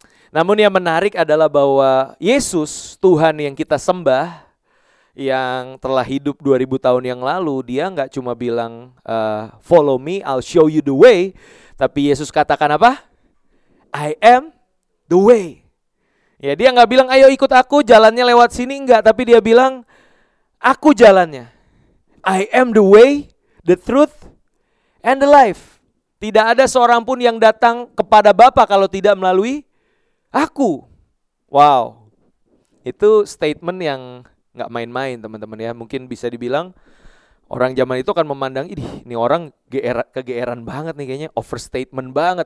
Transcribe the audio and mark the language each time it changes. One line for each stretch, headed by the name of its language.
Indonesian: Namun yang menarik adalah bahwa Yesus, Tuhan yang kita sembah, yang telah hidup 2000 tahun yang lalu, dia gak cuma bilang
English: follow me, I'll show you the way.
Indonesian: Tapi Yesus katakan apa?
English: I am the way.
Indonesian: Ya, dia gak bilang ayo ikut aku, jalannya lewat sini, enggak. Tapi dia bilang aku jalannya.
English: I am the way, the truth, and the life.
Indonesian: Tidak ada seorang pun yang datang kepada Bapa kalau tidak melalui aku. Wow. Itu statement yang gak main-main, teman-teman ya. Mungkin bisa dibilang orang zaman itu akan memandang, idih, ini orang kegeeran banget nih kayaknya. Overstatement banget.